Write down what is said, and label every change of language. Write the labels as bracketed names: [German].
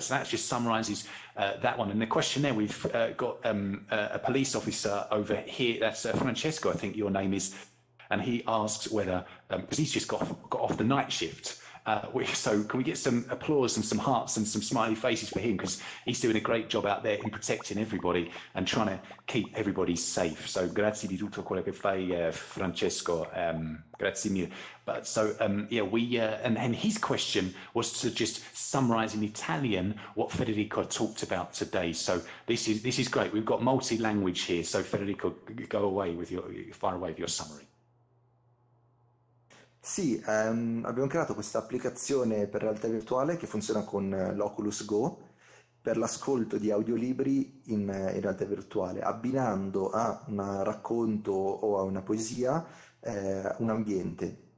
[English] So that just summarizes that one. And the question there, we've got a police officer over here. That's Francesco, I think your name is. And he asks whether, because he's just got off the night shift. So can we get some applause and some hearts and some smiley faces for him? Because he's doing a great job out there in protecting everybody and trying to keep everybody safe. [Italian] So grazie di tutto quello che fai, Francesco. Grazie mille. [English] But so, yeah, we, and his question was to just summarize in Italian what Federico talked about today. So this is great. We've got multi-language here. So Federico, go away with your, fire away with your summary. [Italian] Sì, abbiamo creato questa applicazione per realtà virtuale che funziona con l'Oculus Go per l'ascolto di audiolibri in realtà virtuale, abbinando a un racconto o a una poesia un ambiente.